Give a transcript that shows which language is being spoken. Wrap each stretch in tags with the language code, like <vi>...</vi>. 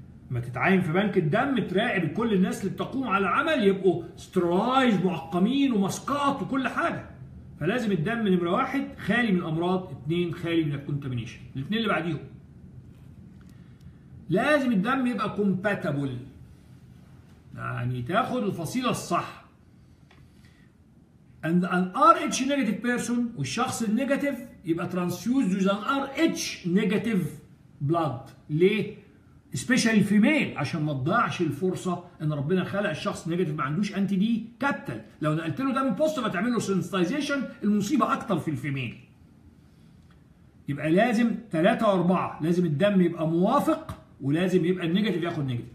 <ar>ما تتعين في بنك الدم تراقب كل الناس اللي بتقوم على العمل يبقوا سترايز معقمين ومسكات وكل حاجه، فلازم الدم نمره واحد خالي من الامراض، اثنين خالي من الكونتامينيشن. الاثنين اللي بعديهم، لازم الدم يبقى كومباتبل، يعني تاخد الفصيله الصح.</ar> <en>And an Rh negative person،</en> <ar>والشخص النيجاتيف يبقى</ar> <en>transfused with an Rh negative blood.</en> <ar>ليه؟</ar> <en>especially female،</en> <ar>عشان ما تضيعش الفرصه ان ربنا خلق الشخص نيجاتيف ما عندوش انتي دي كابتل، لو نقلت له دم بوزيتيف هتعمل له</ar> <en>sensitization،</en> <ar>المصيبه اكتر في الفيميل. يبقى لازم 3 و4، لازم الدم يبقى موافق، ولازم يبقى النيجاتيف ياخد نيجاتيف.</ar>